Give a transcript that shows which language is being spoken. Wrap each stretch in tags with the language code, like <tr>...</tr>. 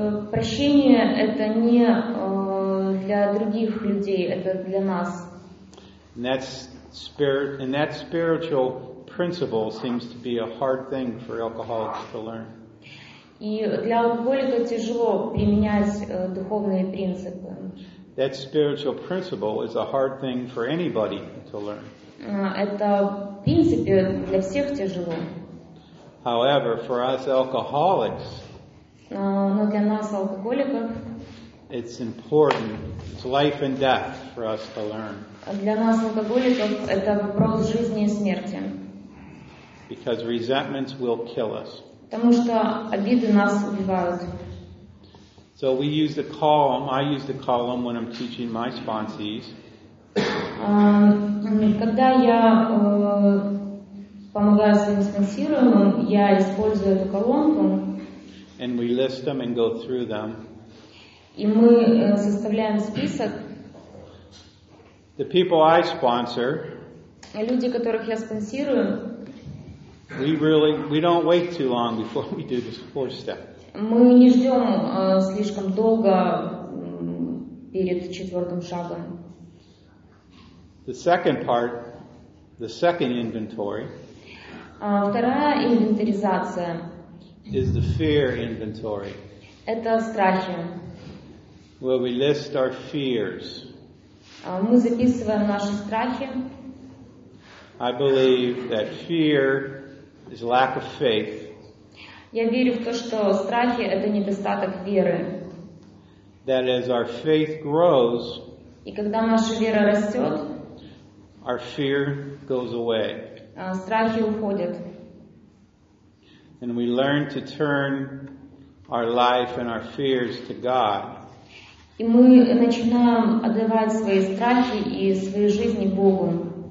<ru>Прощение это не для других людей, это для нас.</ru> <en>And that spiritual principle seems to be a hard thing for alcoholics to learn.</en> <ru>И для алкоголика тяжело применять духовные принципы.</ru> <en>That spiritual principle is a hard thing for anybody to learn.</en> <ru>Это, в принципе, для всех тяжело.</ru> <en>However, for us alcoholics,</en> <ru>но для нас алкоголиков,</ru> <en>it's important. It's life and death for us to learn.</en> <ru>Для нас алкоголиков это вопрос жизни и смерти.</ru> <en>Because resentments will kill us.</en> <ru>Потому что обиды нас убивают.</ru> <en>So we use the column. I use the column when I'm teaching my sponsees.</en> <ru>Когда я помогаю своим спонсируемым, я использую эту колонку.</ru> <en>And we list them and go through them.</en> <ru>И мы составляем список.</ru> <en>The people I sponsor.</en> <ru>Люди, которых я спонсирую.</ru> <en>We don't wait too long before we do this fourth step.</en> <ru>Мы не ждем слишком долго перед четвертым шагом.</ru> <en>The second part, the second inventory.</en> <ru>Вторая инвентаризация.</ru> <en>Is the fear inventory.</en> <ru>Это страхи.</ru> <en>Where we list our fears.</en> <ru>Мы записываем наши страхи.</ru> <en>I believe that fear is lack of faith.</en> <ru>Я верю в то, что страхи это недостаток веры.</ru> <en>That as our faith grows,</en> <ru>и когда наша вера растет,</ru> <en>our fear goes away.</en> <ru>Страхи уходят.</ru> <en>And we learn to turn our life and our fears to God.</en> <ru>И мы начинаем отдавать свои страхи и свои жизни Богу.</ru>